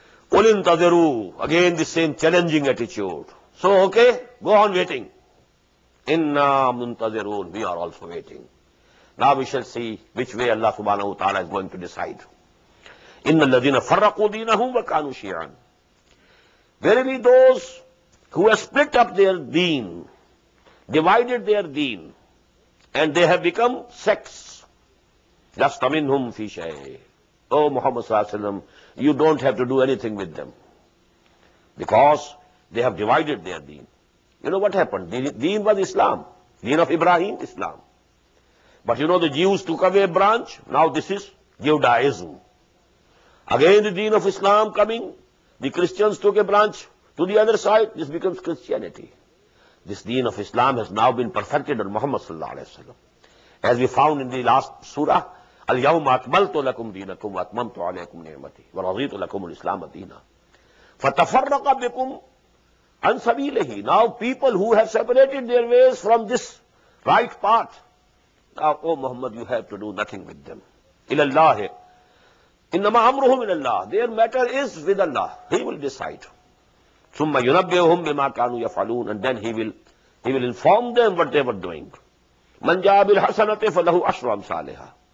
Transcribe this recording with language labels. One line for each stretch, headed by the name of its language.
Arabic: قل انتظروا.
English: Again the same challenging attitude. So okay, go on waiting.
Arabic: إنا منتظرون.
English: We are also waiting. Now we shall see which way Allah subhanahu wa ta'ala is going to decide.
Arabic: إن الذين فرقوا دينهم وكانوا شيعا.
English: Verily those who have split up their deen, divided their deen, and they have become sects.
Arabic: لَسْتَ مِنْهُمْ فِي شَيْءٍ.
English: Oh Muhammad sallallahu alayhi wa sallam, you don't have to do anything with them. Because they have divided their deen. You know what happened? Deen was Islam. Deen of Ibrahim, Islam. But you know the Jews took away a branch. Now this is Judaism. Again the deen of Islam coming. The Christians took a branch to the other side. This becomes Christianity. This deen of Islam has now been perfected on Muhammad sallallahu alayhi wa sallam. As we found in the last surah,
Arabic: اليوم أكملت لكم دينكم وأتممت عليكم نعمتي ورضيت لكم الإسلام دينا فتفرق بكم عن سبيله.
English: Now people who have separated their ways from this right path, now oh Muhammad, you have to do nothing with them.
Arabic: إلى الله إنما أمرهم إلى الله.
English: Their matter is with Allah. He will decide.
Arabic: ثم ينبئهم بما كانوا يفعلون.
English: And then he will inform them what they were doing.
Arabic: من جاء بالحسنة فله عشر أمثالها.